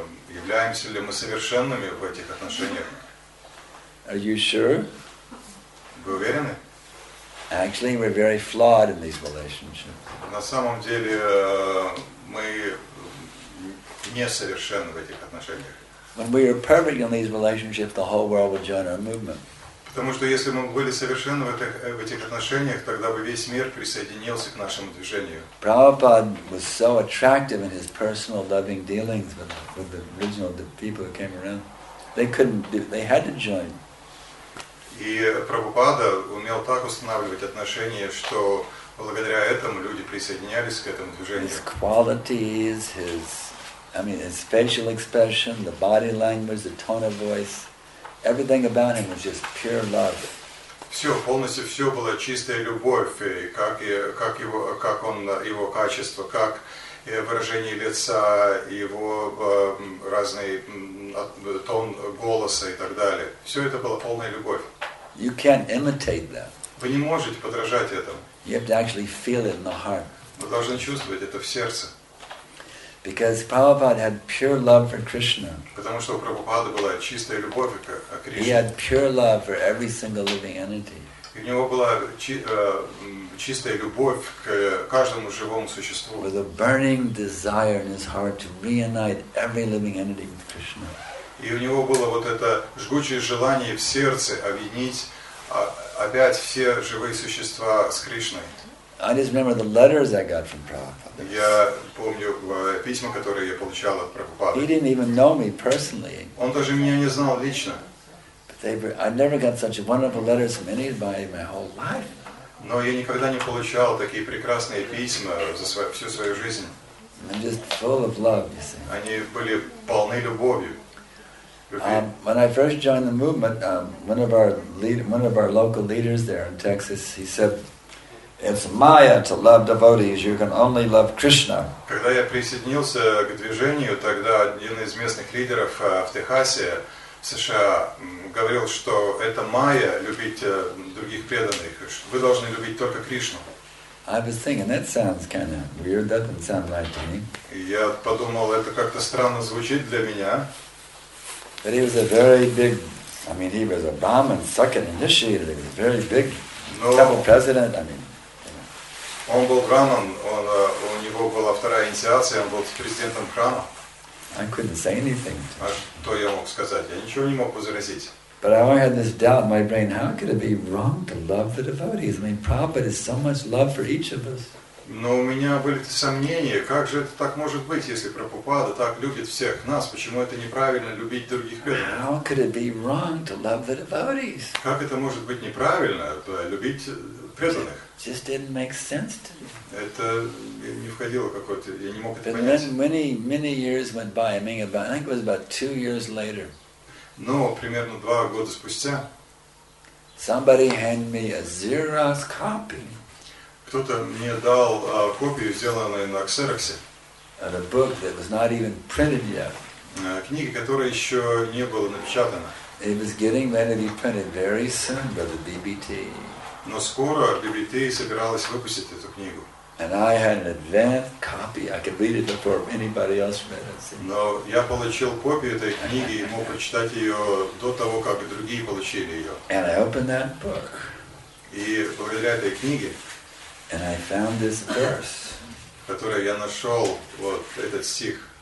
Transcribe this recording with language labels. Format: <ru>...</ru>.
<ru>Являемся ли мы совершенными в этих отношениях?</ru> <en>Are you sure?</en> <ru>Вы уверены?</ru> <en>Actually, we're very flawed in these relationships.</en> <ru>На самом деле, мы несовершенны в этих отношениях.</ru> <en>When we are perfect in these relationships, the whole world will join our movement.</en> <ru>Потому что если мы были совершенны в этих отношениях, тогда бы весь мир присоединился к нашему движению.</ru> <en>Prabhupada was so attractive in his personal loving dealings with the original people who came around. They had to join.</en> <ru>И Прабхупада умел так устанавливать отношения, что благодаря этому люди присоединялись к этому движению.</ru> <en>His qualities, his facial expression, the body language, the tone of voice. Everything about him was just pure love.</en> <ru>Все, полностью все было чистая любовь, его качество, как выражение лица, его разный тон голоса и так далее. Все это было полная любовь.</ru> <en>You can't imitate that.</en> <ru>Вы не можете подражать этому.</ru> <en>You have to actually feel it in the heart.</en> <ru>Вы должны чувствовать это в сердце.</ru> <en>Because Prabhupada had pure love for Krishna.</en> <ru>Потому что у Прабхупады была чистая любовь к Кришне.</ru> <en>He had pure love for every single living entity.</en> <ru>У него была чистая любовь к каждому живому существу.</ru> <en>With a burning desire in his heart to reunite every living entity with Krishna.</en> <ru>И у него было вот это жгучее желание в сердце объединить опять все живые существа с Кришной.</ru> <en>I just remember the letters I got from Prabhupada.</en> <ru>Я помню письма, которые я получал от Прабхупады.</ru> <en>He didn't even know me personally.</en> <ru>Он даже меня не знал лично.</ru> <en>But I never got such wonderful letters from anybody in my whole life.</en> <ru>Но я никогда не получал такие прекрасные письма за всю свою жизнь.</ru> <en>I'm just full of love, you see.</en> <ru>Они были полны любовью.</ru> <en>When I first joined the movement, one of our local leaders there in Texas, he said, it's Maya to love devotees. You can only love Krishna.</en> <ru>Когда я присоединился к движению, тогда один из местных лидеров в Техасе, в США, говорил, что это Maya любить других преданных. Вы должны любить только Кришну.</ru> <en>I was thinking that sounds kind of weird. That doesn't sound right to me.</en> <ru>Я подумал, это как-то странно звучит для меня.</ru> <en>But he was a very big. I mean, he was a Brahmin, second initiated. He was a very big temple president.</en> <ru>Он был браман, у него была вторая инициация, он был президентом храма.</ru> <en>I couldn't say anything.</en> <ru>А что я мог сказать? Я ничего не мог возразить.</ru> <en>But I always had this doubt in my brain, how could it be wrong to love the devotees? I mean, Prabhupada is so much love for each of us.</en> <ru>Но у меня были сомнения, как же это так может быть, если Прабхупада так любит всех нас, почему это неправильно любить других преданных?</ru> <en>How could it be wrong to love the devotees?</en> <ru>Как это может быть неправильно любить преданных?</ru> <en>Just didn't make sense to me.</en> <ru>Это не входило какое-то, я не мог это</ru> <en>but</en> <ru>понять.</ru> <en>Then many years went by. I think it was about 2 years later.</en> <ru>Но примерно 2 года спустя.</ru> <en>Somebody handed me a Xerox copy.</en> <ru>Кто-то мне дал копию, сделанную на ксероксе.</ru> <en>And a book that was not even printed yet.</en> <ru>Книга, которая еще не была напечатана.</ru> <en>It was getting ready to be printed very soon by the DBT.</en> <ru>Но скоро BBT собиралась выпустить эту книгу.</ru> <en>And I had an advanced copy. I could read it before anybody else read it.</en> <ru>Но я получил копию этой книги и мог прочитать ее до того, как другие получили ее.</ru> <en>And I opened that book.</en> <ru>И благодаря этой книге.</ru> <en>And I found this verse.</en> <ru>Которую я нашел вот этот стих.</ru>